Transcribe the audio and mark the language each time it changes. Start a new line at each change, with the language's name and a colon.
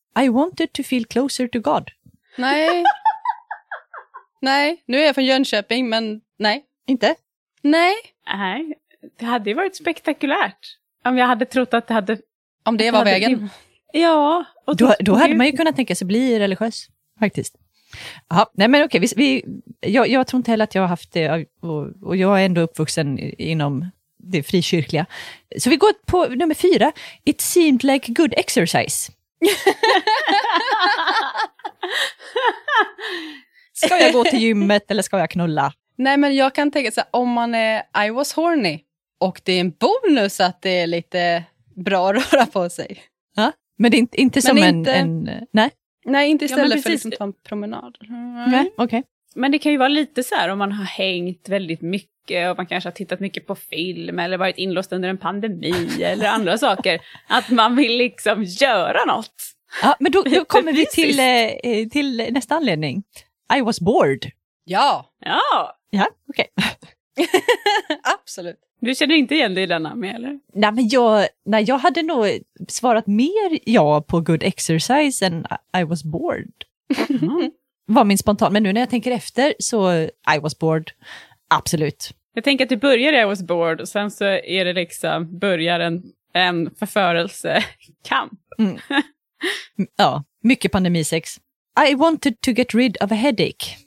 English: I wanted to feel closer to God.
Swedish: Nej. Nej, nu är jag från Jönköping, men nej. Inte? Nej. Nej, det hade ju varit spektakulärt. Om jag hade trott att det hade... Om det var vägen. Ja. Och då hade man ju kunnat tänka sig bli religiös, faktiskt. Ja, nej men okej. Jag tror inte heller att jag har haft det. Och jag är ändå uppvuxen inom det frikyrkliga. Så vi går på nummer 4.
English: It seemed like good exercise.
Swedish: Ska jag gå till gymmet eller ska jag knulla? Nej, men jag kan tänka så här, om man är
English: I was horny
Swedish: och det är en bonus att det är lite bra att röra på sig. Ja, men det är inte som en nej? Nej, inte istället ja, för att liksom ta en promenad. Mm. Nej, okej.
English: Okay.
Swedish: Men det kan ju vara lite så här, om man har hängt väldigt mycket och man kanske har tittat mycket på film eller varit inlåst under en pandemi eller andra saker, att man vill liksom göra något. Ja, men då kommer vi till nästa anledning.
English: I was bored.
Swedish: Ja. Ja. Ja, okej.
English: Okay. Absolut.
Swedish: Du känner inte igen dig i denna med, eller? Nej, men jag hade nog svarat mer ja på
English: good exercise
Swedish: än
English: I was bored.
Swedish: Var min spontan. Men nu när jag tänker efter så
English: I was bored.
Swedish: Absolut. Jag tänker att du började
English: I was bored
Swedish: och sen så är det liksom börjar en förförelsekamp. Mm. Ja, mycket pandemisex.
English: I wanted to get rid of a headache.